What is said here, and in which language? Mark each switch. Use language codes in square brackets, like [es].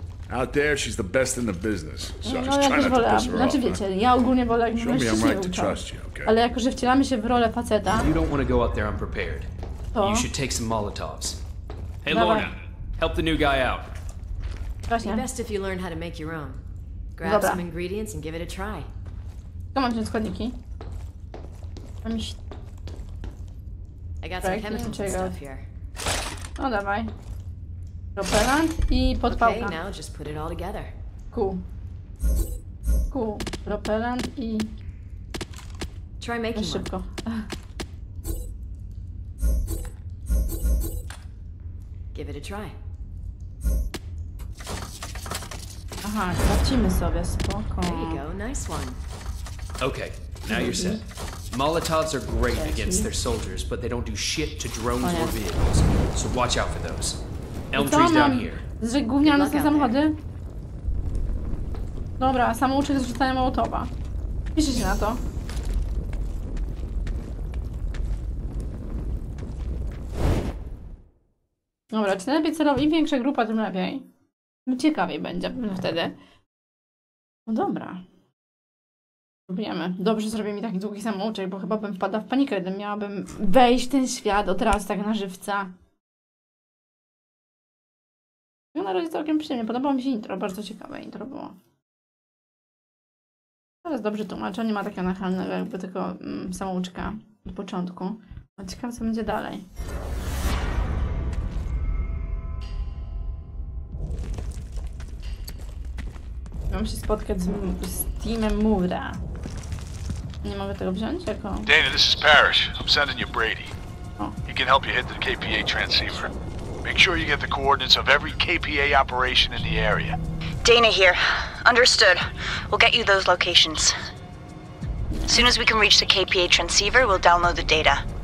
[en] Out there, she's the best in the business. [pl] Znaczy, wiecie, ja ogólnie wolę, jak mówię, że się uda. Ale jako, że wcielamy się w rolę faceta. [en] You don't want to go out there unprepared. You should take some Molotovs. Hey, Lorna, help the new guy out. [pl] Właśnie. [en] Best if you learn how to make your own. Grab some ingredients and give it a try. [pl] Co mam wziąć składniki? Mam iść. [en] I got some chemical stuff here. [pl] No dawaj. Propelant i podpałka. [en] Okay, now just put it all together. Cool. [pl] Propelant i... [en] Try making one. [pl] Szybko. [en] Give it a try. [pl] Aha, sprawdzimy sobie, spoko. [en] There you go, nice one. Okay, now you're set. Molotovs are great against their soldiers, but they don't do shit to drones or vehicles. So watch out for those. Elmtree's down here. [pl] Że gówniane są samochody? Dobra, samouczek z rzucania Molotowa. Piszę się na to. Dobra, czy najlepiej celowo? Im większa grupa, tym lepiej. Ciekawiej będzie wtedy. No dobra. Próbujemy. Dobrze zrobię mi taki długi samouczek, bo chyba bym wpadła w panikę, gdybym miałabym wejść w ten świat od razu tak na żywca. No na razie całkiem przyjemnie. Podobało mi się intro. Bardzo ciekawe intro było. Teraz dobrze tłumaczę. Nie ma takiego nachalnego jakby tylko samouczka od początku. A ciekawe co będzie dalej. Mam się spotkać z teamem Moore'a. Nie mogę tego wziąć jako... [en] Dana, this is Parrish. I'm sending you Brady. He can help you hit the KPA transceiver. Make sure you get the coordinates of every KPA operation in the area. Dana here. Understood. We'll get you those locations. As soon as we can reach the KPA transceiver, we'll download the data.